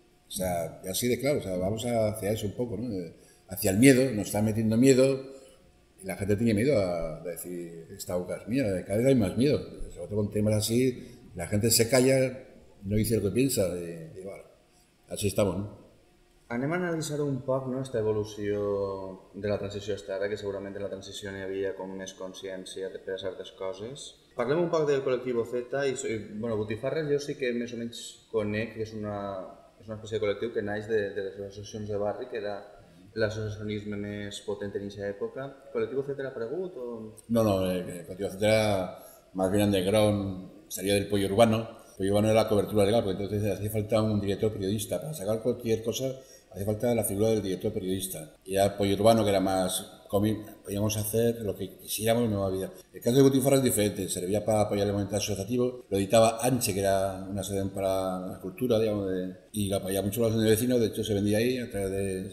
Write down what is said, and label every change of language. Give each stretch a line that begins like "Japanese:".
Spanish: O sea, así de claro, o sea, vamos hacia eso un poco, ¿no? Hacia el miedo, nos está metiendo miedo. Y la gente tiene miedo a decir, esta boca es mía, cada vez hay más miedo. Sobre todo con temas así, la gente se calla. No dice lo que piensa, y bueno, así estamos, ¿no?
Catalan: Anem a analitzar un poc, no, esta evolució de la transició hasta ara, que segurament en la transició n'hi havia com més consciència per a certes coses. Parlem un poc del col·lectivo Z, i bueno, Botifarres jo sí que més o menys conec, que és una espècie de col·lectiu que naix de les associacions de barri, que era l'associacionisme més potent en aquesta època. Col·lectivo Z era aparegut o...? No, Col·lectivo Z era més bien underground, seria del Pollo Urbano.
Spanish: Pues yo no era la cobertura legal, porque entonces hacía falta un director periodista. Para sacar cualquier cosa, hacía falta la figura del director periodista. Y era Pollo Urbano, que era más cómic, podíamos hacer lo que quisiéramos y no había. El caso de Butifarra es diferente, servía para apoyar el movimiento asociativo, lo editaba Anche, que era una sede para la cultura, digamos, y lo apoyaba mucho la asociación de vecinos. De hecho, se vendía ahí a través de.